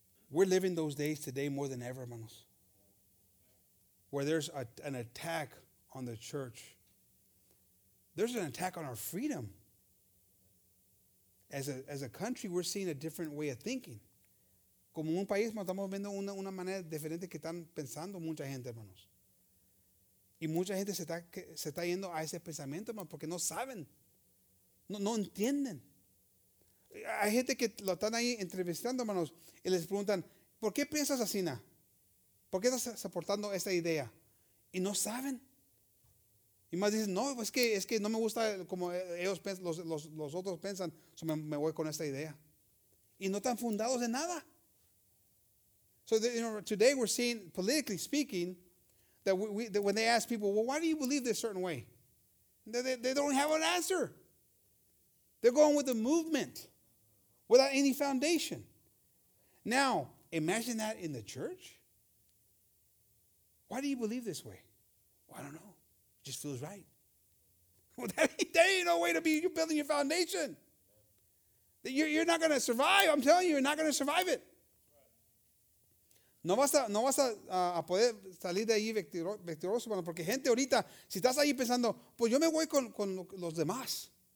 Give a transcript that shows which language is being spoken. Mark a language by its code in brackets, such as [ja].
[en] We're living those days today more than ever, hermanos, where there's an attack on the church. There's an attack on our freedom. As a country, we're seeing a different way of thinking. [es] Como un país, estamos viendo una manera diferente que están pensando mucha gente, hermanos. Y mucha gente se está yendo a ese pensamiento, hermanos, porque no saben. No entienden. Hay gente que lo están ahí entrevistando, hermanos, y les preguntan, ¿por qué piensas así, na? ¿Por qué estás soportando esta idea? Y no saben. Y más dicen, no, es que no me gusta como ellos piensan, los otros piensan, so me voy con esta idea. Y no están fundados en nada. [en] So, you know, today we're seeing, politically speaking, that we when they ask people, well, why do you believe this certain way? They don't have an answer. They're going with the movement without any foundation. Now, imagine that in the church. Why do you believe this way? Well, I don't know. It just feels right. Well, that ain't no way to be. You're building your foundation. You're not going to survive. I'm telling you, you're not going to survive it. [es] No vas a poder salir de ahí victorioso, hermano, porque gente ahorita, si estás ahí pensando, pues yo me voy con los demás.